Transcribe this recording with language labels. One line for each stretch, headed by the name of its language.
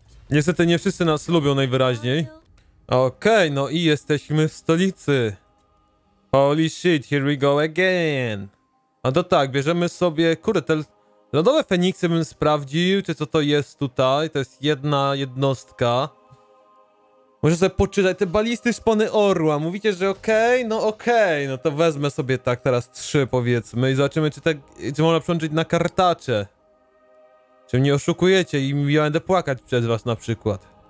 Polish: Niestety nie wszyscy nas lubią najwyraźniej. Okej, okay, no i jesteśmy w stolicy.
English: Holy shit, here we go again.
Polish: A to tak, bierzemy sobie... Kurde, te lodowe feniksy bym sprawdził, czy co to jest tutaj. To jest jedna jednostka. Muszę sobie poczytać te balisty szpony orła. Mówicie, że okej? Okay? No okej. Okay. No to wezmę sobie tak teraz trzy, powiedzmy. I zobaczymy, czy można przełączyć na kartacze. Czy mnie oszukujecie i ja będę płakać przez was na przykład.